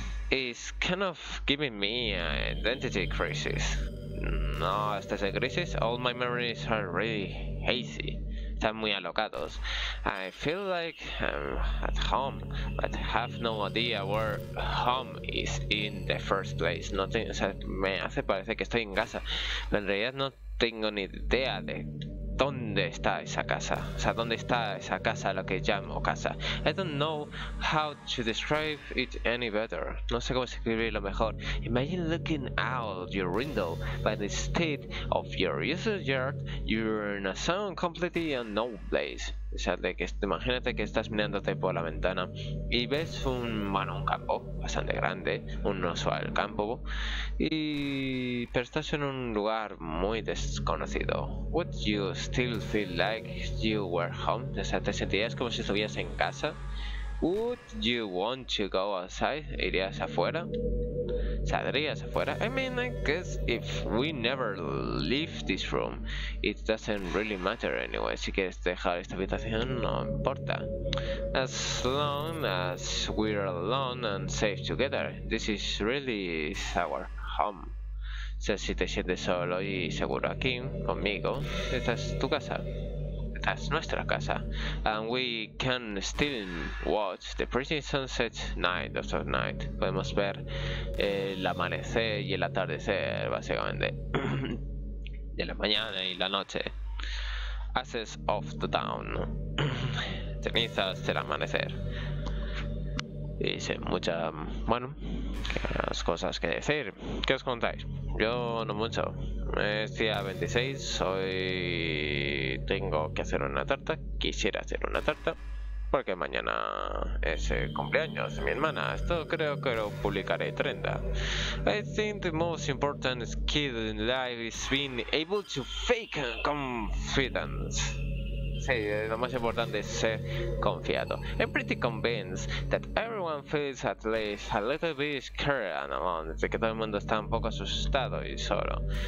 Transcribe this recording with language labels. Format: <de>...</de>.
<en>It's kind of giving me an identity crisis.</en> <es>No, estás en crisis.</es> <en>All my memories are really hazy.</en> <es>Están muy alocados.</es> <en>I feel like I'm at home, but have no idea where home is in the first place.</en> <es>No tengo, o sea, me hace parecer que estoy en casa, pero en realidad no tengo ni idea de dónde está esa casa. O sea, dónde está esa casa, lo que llamo casa.</es> <en>I don't know how to describe it any better.</en> <es>No sé cómo escribirlo mejor.</es> <en>Imagine looking out your window, but instead of your usual yard, you're in a zone completely unknown place.</en> <es>O sea, de que, imagínate que estás mirándote por la ventana y ves un, bueno, un campo bastante grande, un usual campo, y pero estás en un lugar muy desconocido.</es> <en>Would you still feel like you were home?</en> <es>O sea, ¿te sentirías como si estuvieras en casa?</es> <en>Would you want to go outside?</en> <es>¿Irías afuera? ¿Saldrías afuera?</es> <en>I mean, I guess if we never leave this room, it doesn't really matter anyway.</en> <es>Si quieres dejar esta habitación, no importa.</es> <en>As long as we're alone and safe together, this is really our home.</en> <es>O sea, si te sientes solo y seguro aquí, conmigo, esta es tu casa. Esta es nuestra casa.</es> <en>And we can still watch the pretty sunset night after night.</en> <es>Podemos ver el amanecer y el atardecer, básicamente. De la mañana y la noche.</es> <en>Ashes of the dawn.</en> <es>Cenizas del amanecer. Dice mucha. Bueno, las cosas que decir. ¿Qué os contáis? Yo no mucho. Es día 26, hoy tengo que hacer una tarta. Quisiera hacer una tarta porque mañana es el cumpleaños de mi hermana. Esto creo que lo publicaré 30.</es> <en>I think the most important skill in life is being able to fake confidence.</en> <es>Sí, lo más importante es ser confiado.</es> <en>I'm pretty convinced that everyone feels at least a little bit scared and alone,</en> <es>de que todo el mundo está un poco asustado y solo.</es>